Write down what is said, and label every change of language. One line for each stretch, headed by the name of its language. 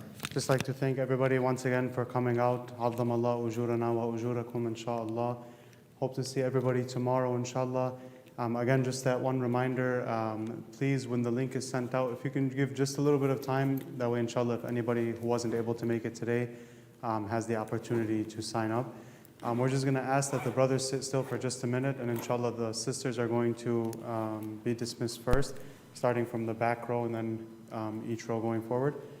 English: Just like to thank everybody once again for coming out.
Arabic: عظم الله أجورنا وأجوركم إن شاء الله.
English: Hope to see everybody tomorrow, inshallah. Again, just that one reminder, please, when the link is sent out, if you can give just a little bit of time, that way, inshallah, if anybody who wasn't able to make it today has the opportunity to sign up. We're just going to ask that the brothers sit still for just a minute, and inshallah, the sisters are going to be dismissed first, starting from the back row and then each row going forward.